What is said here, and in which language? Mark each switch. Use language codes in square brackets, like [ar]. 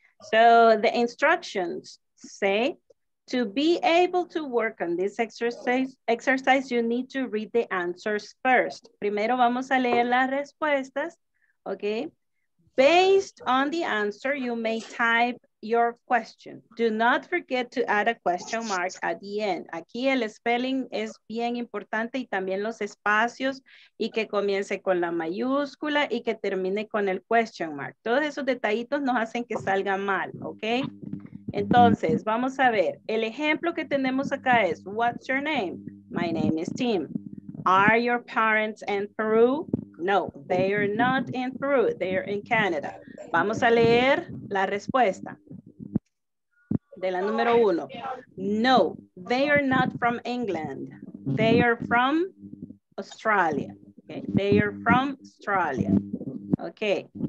[en] So the instructions say, to be able to work on this exercise, you need to read the answers first. [es] Primero vamos a leer las respuestas, okay? [en] Based on the answer, you may type your question. Do not forget to add a question mark at the end. [es] Aquí el spelling es bien importante y también los espacios y que comience con la mayúscula y que termine con el question mark. Todos esos detallitos nos hacen que salga mal, okay? Entonces, vamos a ver. El ejemplo que tenemos acá es, [en] what's your name? My name is Tim. Are your parents in Peru? No, they are not in Peru, they are in Canada. [es] Vamos a leer la respuesta de la número uno. [en] No, they are not from England. They are from Australia. Okay. They are from Australia. Okay.